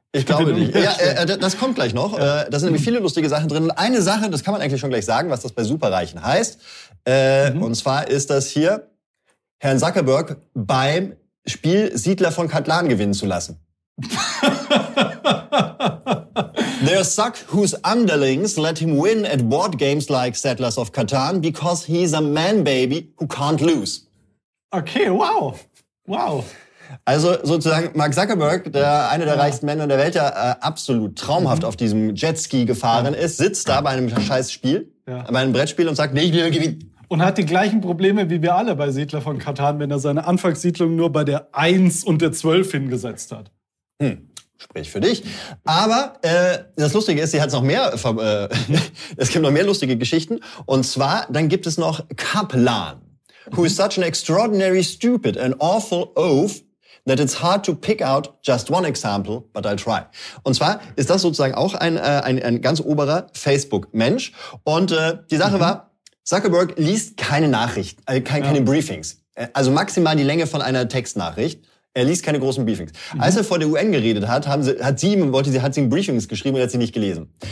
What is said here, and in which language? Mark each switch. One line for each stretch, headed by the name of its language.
German: Ich glaube nicht. Ja, das kommt gleich noch. Ja. Da sind nämlich viele lustige Sachen drin. Und eine Sache, das kann man eigentlich schon gleich sagen, was das bei Superreichen heißt. Und zwar ist das hier, Herrn Zuckerberg beim Spiel Siedler von Catan gewinnen zu lassen.
English: There suck whose underlings let him win at board games like Settlers of Catan because he's a man baby who can't lose. Okay, wow. Wow.
German: Also sozusagen Mark Zuckerberg, einer der reichsten Männer der Welt, der absolut traumhaft auf diesem Jetski gefahren ist, sitzt da bei einem scheiß Spiel, bei einem Brettspiel und sagt, nee, ich will gewinnen. Und hat die gleichen Probleme wie wir alle bei Siedler von Catan, wenn er seine Anfangssiedlung nur bei der 1 und der 12 hingesetzt hat. Hm, sprich für dich. Aber das Lustige ist, sie hat noch mehr, es gibt noch mehr lustige Geschichten. Und zwar, dann gibt es noch Kaplan.
English: Who is such an extraordinary stupid and awful oaf that it's hard to pick out just one example, but I'll try.
German: Und zwar ist das sozusagen auch ein ganz oberer Facebook-Mensch. Und die Sache war, Zuckerberg liest keine Nachrichten, keine Briefings. Also maximal die Länge von einer Textnachricht. Er liest keine großen Briefings. Mhm. Als er vor der UN geredet hat, hat sie ihm Briefings geschrieben und hat sie nicht gelesen.